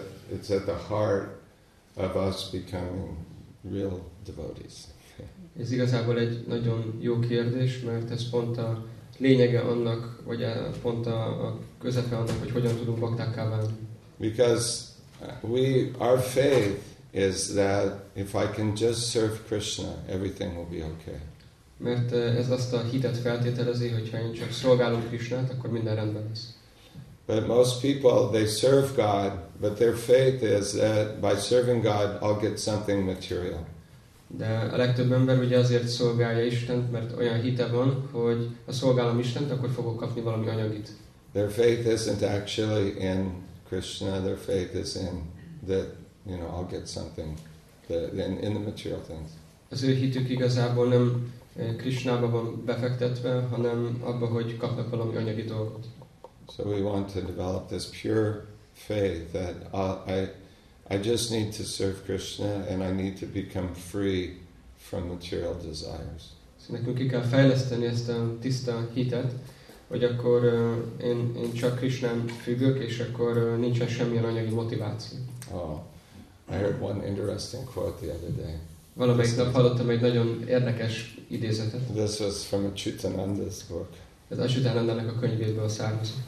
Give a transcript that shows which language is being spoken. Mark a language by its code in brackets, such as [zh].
[en] It's at the heart of us becoming real devotees. [hu] Ez igazából egy nagyon jó kérdés, mert ez pont a lényege annak, vagy pont a közepe annak, hogy hogyan tudunk baktákká válni. [en] Because our faith is that if I can just serve Krishna, everything will be okay. [hu] Mert ez azt a hitet feltételezi, hogyha én csak szolgálom Krishnát, akkor minden rendben lesz. [en] But most people, they serve God, but their faith is that by serving God, I'll get something material. [hu] De a legtöbb ember ugye azért szolgálja Istent, mert olyan hite van, hogy ha szolgálom Istent, akkor fogok kapni valami anyagit. [en] Their faith isn't actually in Krishna, their faith is in that, you know, I'll get something in the material things. [hu] Az ő hitük igazából nem Krishnába van befektetve, hanem abba, hogy kapnak valami anyagi dolgot. [en] So we want to develop this pure faith that I just need to serve Krishna and I need to become free from material desires. [hu] So nekünk ki kell fejleszteni ezt a tiszta hitet, hogy akkor én csak Krishnán függök, és akkor nincsen semmilyen anyagi motiváció. [en] Oh, I heard one interesting quote the other day. [hu] Valamelyik nap hallottam egy nagyon érdekes idézetet. [en] This was from Achyutananda's book. [hu] Ez Achyutananda-nak a könyvéből származik.